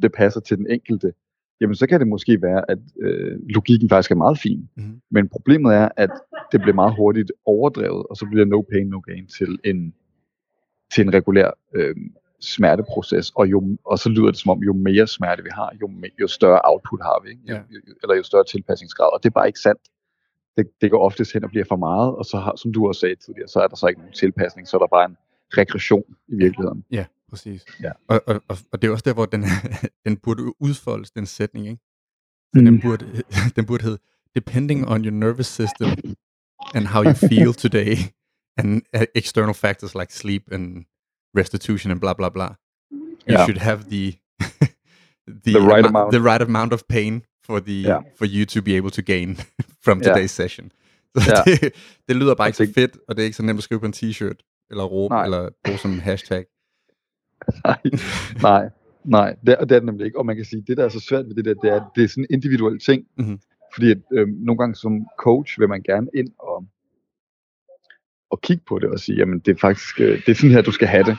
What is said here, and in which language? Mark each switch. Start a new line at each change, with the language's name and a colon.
Danish: Det passer til den enkelte, jamen så kan det måske være, at logikken faktisk er meget fin, men problemet er, at det bliver meget hurtigt overdrevet, og så bliver
English: no pain, no gain
Danish: til en regulær smerteproces, og så lyder det som om, jo mere smerte vi har, jo større output har vi, ikke? Eller jo større tilpasningsgrad, og det er bare ikke sandt. Det går oftest hen og bliver for meget, og så har, som du også sagde tidligere, så er der så ikke nogen tilpasning, så er der bare en regression i virkeligheden. Ja, præcis. Ja. Og det er også der, hvor den burde udfoldes, den sætning, ikke? Den burde hedde,
English: depending on your nervous system and how you feel today and external factors like sleep and restitution and blah, blah, blah. You should have the right amount of pain for you to be able to gain from today's session.
Danish: Så det lyder bare ikke så fedt, og det er ikke så nemt at skrive på en t-shirt, eller råbe, eller bruge som hashtag. Nej. Det er det nemlig ikke. Og man kan sige, det der er så svært ved det der, det er sådan en individuel ting. Mm-hmm. Fordi at, nogle gange som coach vil man gerne ind og kigge på det og sige, jamen det er faktisk, det er sådan her, du skal have det.